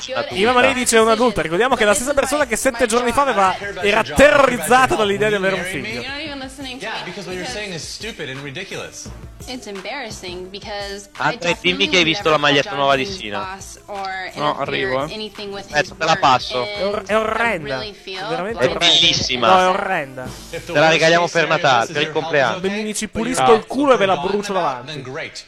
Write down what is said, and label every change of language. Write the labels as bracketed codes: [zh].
[it] Iva Marie dice un adulto. Ricordiamo che è la stessa persona che 7 giorni fa era terrorizzata dall'idea di avere un figlio. [en] listening to yeah, me. Yeah, because what you're saying is stupid and ridiculous. It's embarrassing because [it] Andre, dimmi che hai visto la maglietta nuova di Cena. No, arrivo. Aspetta, te la passo. È orrenda. È bellissima. No, è orrenda. Te la regaliamo per Natale, per il compleanno. Bene, ci pulisco il culo e ve la brucio davanti. [en] Then great.